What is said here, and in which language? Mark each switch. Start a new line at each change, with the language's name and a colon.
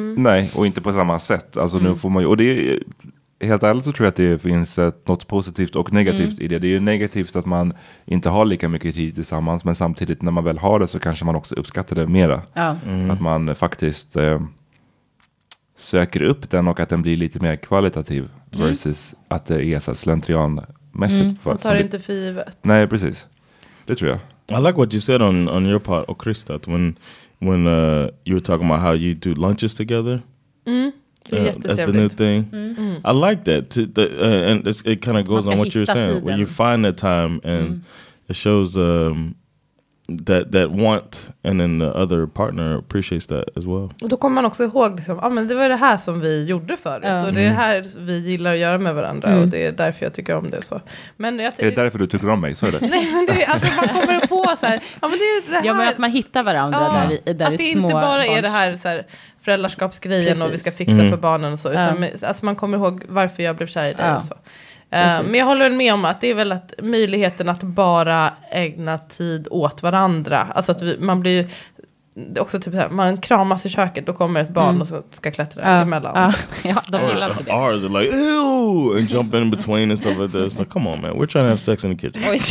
Swedish: Nej, och inte på samma sätt. Alltså nu får man ju... Och det är, helt ärligt så tror jag att det finns något positivt och negativt i det. Det är ju negativt att man inte har lika mycket tid tillsammans. Men samtidigt när man väl har det så kanske man också uppskattar det mera. Ja. Mm. Att man faktiskt söker upp den och att den blir lite mer kvalitativ. Versus att det är så slentrianmässigt. Man tar inte för givet. Nej, precis. Det tror jag.
English: I like what you said on your part,
Swedish: och
English: Chris, that when you were talking about how you do lunches together. That's the new thing. I like that. It kind of goes on what you're saying. When you find that time and it shows that want, and then the other partner appreciates that as well.
Swedish: Och då kommer man också ihåg liksom, ah, men det var det här som vi gjorde förut. Och det är det här vi gillar att göra med varandra. Mm. Och det är därför jag tycker om det så. Men är det därför du tycker om mig? Så är det. Nej, men det är alltså, man kommer på så här. Ja, men det är det här. Ja, men att man hittar varandra där att det små inte bara barns. Är det här så här föräldraskapsgrejen. Precis. Och vi ska fixa för barnen och så. Utan alltså, man kommer ihåg varför jag blev kär i det och så. Men jag håller med om att det är väl att möjligheten att bara ägna tid åt varandra. Alltså att man blir ju också typ så här, man kramas i köket, då kommer ett barn och så ska klättra emellan. Ja, de gillar det.
English: Ours is like, ew, and jump in between and stuff like that. It's like, come on man, we're trying to have sex in the kitchen.